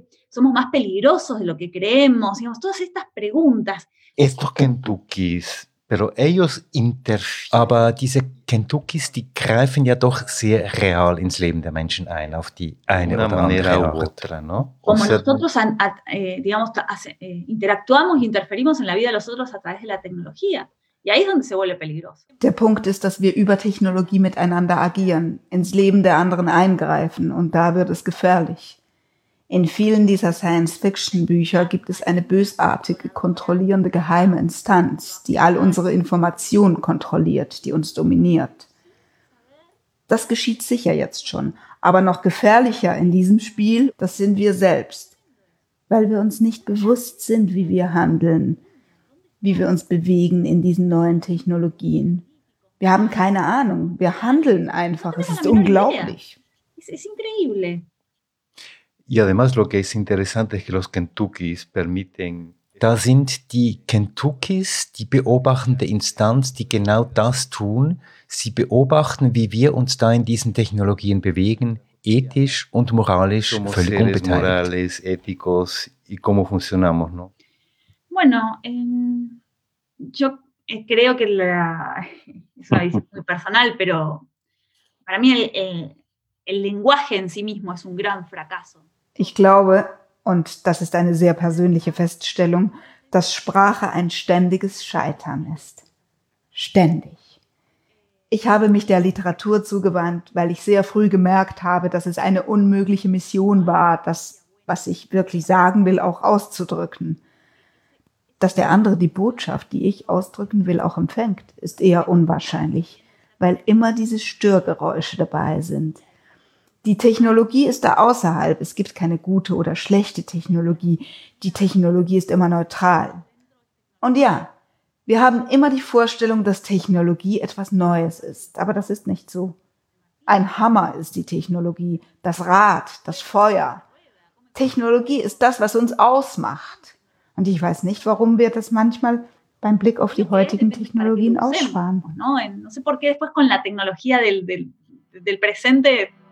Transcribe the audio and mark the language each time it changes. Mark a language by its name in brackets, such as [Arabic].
[Spanish] Somos más peligrosos de lo que creemos. Digamos, todas estas preguntas. Estos Kentuckys, pero ellos interfieren. [German] Aber diese Kentuckys, die greifen ja doch sehr real ins Leben der Menschen ein, auf die eine oder andere Art. [Spanish] ¿No? Como nosotros, digamos, interactuamos y interferimos en la vida de los otros a través de la tecnología. Y ahí es donde se vuelve peligroso. [German] Der Punkt ist, dass wir über Technologie miteinander agieren, ins Leben der anderen eingreifen, und da wird es gefährlich. In vielen dieser Science-Fiction-Bücher gibt es eine bösartige, kontrollierende geheime Instanz, die all unsere Informationen kontrolliert, die uns dominiert. Das geschieht sicher jetzt schon, aber noch gefährlicher in diesem Spiel, das sind wir selbst, weil wir uns nicht bewusst sind, wie wir handeln, wie wir uns bewegen in diesen neuen Technologien. Wir haben keine Ahnung, wir handeln einfach, es ist unglaublich. Es ist [Spanish] increíble. Y además lo que es interesante es que los Kentuckys permiten... [German] Da sind die Kentuckys die beobachtende Instanz, die genau das tun. Sie beobachten, wie wir uns da in diesen Technologien bewegen, ethisch und moralisch [Spanish] somos [German] völlig [Spanish] seres Morales, éticos, y cómo funcionamos, ¿no? Bueno, yo creo que la... Eso es muy personal, pero para mí el lenguaje en sí mismo es un gran fracaso. [German] Ich glaube, und das ist eine sehr persönliche Feststellung, dass Sprache ein ständiges Scheitern ist. Ständig. Ich habe mich der Literatur zugewandt, weil ich sehr früh gemerkt habe, dass es eine unmögliche Mission war, das, was ich wirklich sagen will, auch auszudrücken. Dass der andere die Botschaft, die ich ausdrücken will, auch empfängt, ist eher unwahrscheinlich, weil immer diese Störgeräusche dabei sind. Die Technologie ist da außerhalb. Es gibt keine gute oder schlechte Technologie. Die Technologie ist immer neutral. Und ja, wir haben immer die Vorstellung, dass Technologie etwas Neues ist. Aber das ist nicht so. Ein Hammer ist die Technologie, das Rad, das Feuer. Technologie ist das, was uns ausmacht. Und ich weiß nicht, warum wir das manchmal beim Blick auf die heutigen Technologien aussparen. Nein, [Spanish] no sé por qué después con la tecnología del presente...